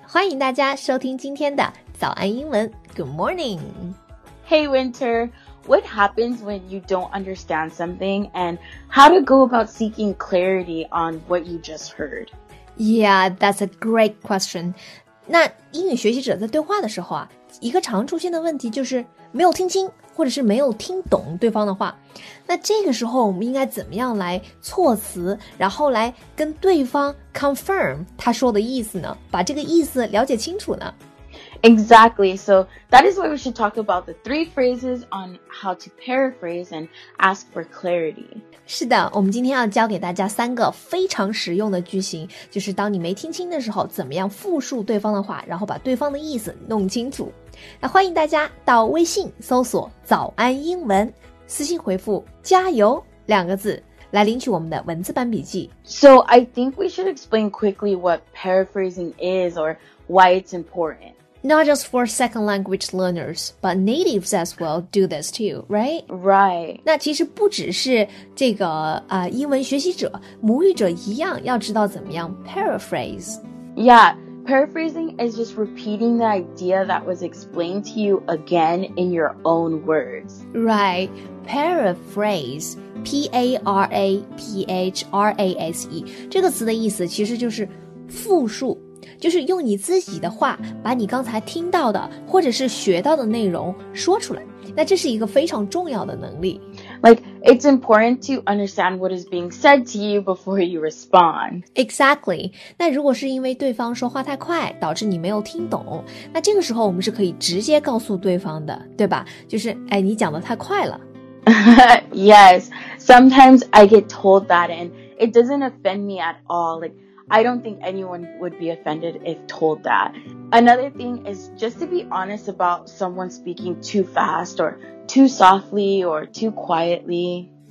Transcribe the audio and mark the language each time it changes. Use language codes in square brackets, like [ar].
[zh] 欢迎大家收听今天的早安英文。 [en] Good morning. Hey Winter, what happens when you don't understand something and how to go about seeking clarity on what you just heard? Yeah, that's a great question. [zh] 那英语学习者在对话的时候啊，一个常出现的问题就是没有听清。或者是没有听懂对方的话，那这个时候我们应该怎么样来措辞，然后来跟对方 confirm 他说的意思呢？把这个意思了解清楚呢？ [en] Exactly. So that is why we should talk about the three phrases on how to paraphrase and ask for clarity. [zh] 是的，我们今天要教给大家三个非常实用的句型，就是当你没听清的时候，怎么样复述对方的话，然后把对方的意思弄清楚。那欢迎大家到微信搜索早安英文，私信回复加油两个字来领取我们的文字版笔记。 [en] So I think we should explain quickly what paraphrasing is or why it's important. Not just for second language learners, but natives as well do this too, right? Right. [zh] 那其实不只是这个、英文学习者，母语者一样要知道怎么样 paraphrase. [en] Yeah. Paraphrasing is just repeating the idea that was explained to you again in your own words. Right. Paraphrase. P-A-R-A-P-H-R-A-S-E. [zh] 这个词的意思其实就是复述，就是用你自己的话把你刚才听到的或者是学到的内容说出来。那这是一个非常重要的能力。 [en] Like, it's important to understand what is being said to you before you respond. Exactly. [zh] 那如果是因为对方说话太快，导致你没有听懂，那这个时候我们是可以直接告诉对方的，对吧？就是，哎，你讲得太快了。 [en] Yes, sometimes I get told that and it doesn't offend me at all. Like, I don't think anyone would be offended if told that. Another thing is just to be honest about someone speaking too fast orToo softly or too quietly.